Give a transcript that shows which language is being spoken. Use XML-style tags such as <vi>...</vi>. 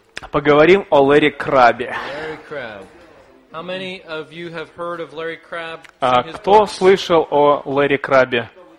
<ru>Поговорим о Ларри Краббе.</ru> <en>Larry Crabb. How many of you have heard of Larry Crabb?</en> <ru>Кто слышал о Ларри Краббе?</ru>